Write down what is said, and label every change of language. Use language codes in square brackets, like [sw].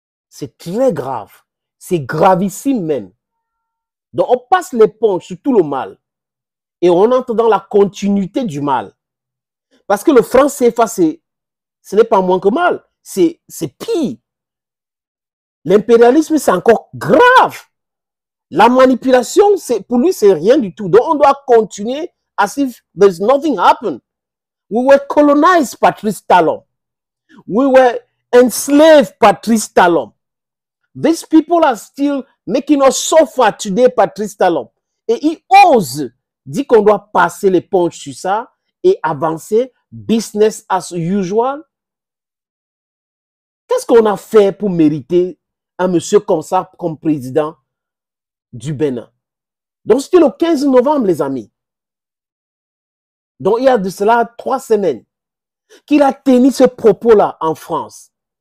[fr] C'est très grave. C'est gravissime même. Donc, on passe l'éponge sur tout le mal. Et on entre dans la continuité du mal. Parce que le franc CFA, ce n'est pas moins que mal. C'est pire. L'impérialisme, c'est encore grave. La manipulation, pour lui, c'est rien du tout. Donc, on doit continuer [en] as if there's nothing happened. We were colonized, Patrice Talon. We were enslaved, Patrice Talon. These people are still making us suffer today, Patrice Talon. [fr] Et il ose dire qu'on doit passer l'éponge sur ça et avancer [en] business as usual. [fr] Qu'est-ce qu'on a fait pour mériter un monsieur comme ça comme président du Bénin? Donc, c'était le 15 novembre, les amis. Donc, il y a de cela 3 semaines qu'il a tenu ce propos-là en France.